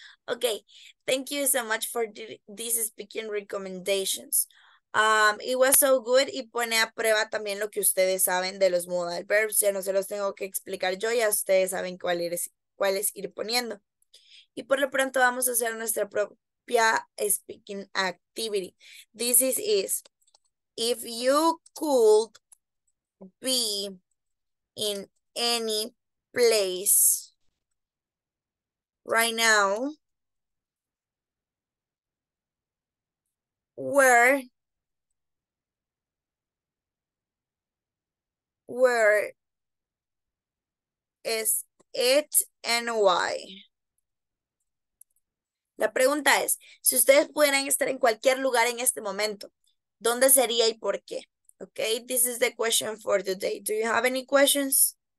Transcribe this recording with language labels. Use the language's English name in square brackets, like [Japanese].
[English] Okay, thank you so much for these speaking recommendations. It was so good. [Spanish] Y pone a prueba también lo que ustedes saben de los modal verbs. Ya no se los tengo que explicar yo. Ya ustedes saben cuáles ir poniendo. Y por lo pronto vamos a hacer nuestra propia [English] speaking activity. This is, if you could be in any place right now, where is it and why? [Spanish] La pregunta es, si ustedes pudieran estar en cualquier lugar en este momento, ¿dónde sería y por qué? [English] Okay, this is the question for today. Do you have any questions?